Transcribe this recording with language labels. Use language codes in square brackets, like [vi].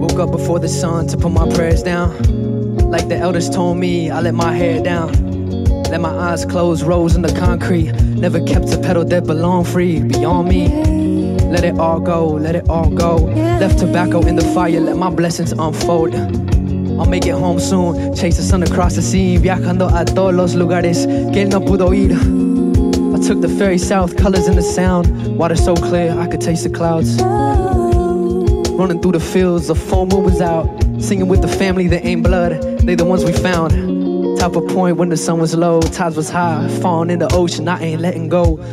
[en] before the sun to put my prayers down. Like the elders told me, I let my hair down. Let my eyes close, rose in the concrete. Never kept a petal that belonged free beyond me. Let it all go, let it all go. Left tobacco in the fire, let my blessings unfold. I'll make it home soon, chase the sun across the sea. [es] Viajando a todos los lugares que no pudo ir. [en] I took the ferry south, colors in the sound. Water so clear, I could taste the clouds. Running through the fields, the full moon was out. Singing with the family that ain't blood, they the ones we found. Top of point when the sun was low, tides was high. Falling in the ocean, I ain't letting go.